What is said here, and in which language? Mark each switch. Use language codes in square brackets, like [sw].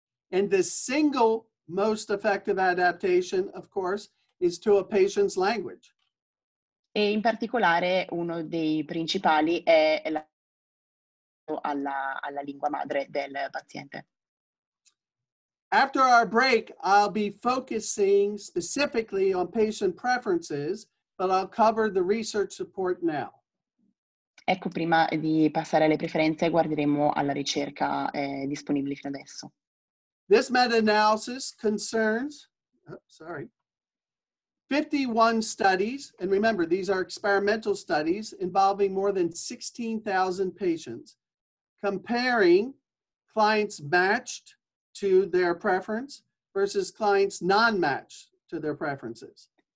[en] And the single most effective adaptation, of course, is to a patient's language. [it] E in particolare uno dei principali è alla lingua madre del paziente. [en] After our break, I'll be focusing specifically on patient preferences, but I'll cover the research support now. [it] Ecco, prima di passare alle preferenze, guarderemo alla ricerca disponibile fino adesso. [en] This meta-analysis concerns... Oops, sorry. 51 studies, and remember, these are experimental studies involving more than 16,000 patients, comparing clients matched to their preference versus clients non-matched to their preferences.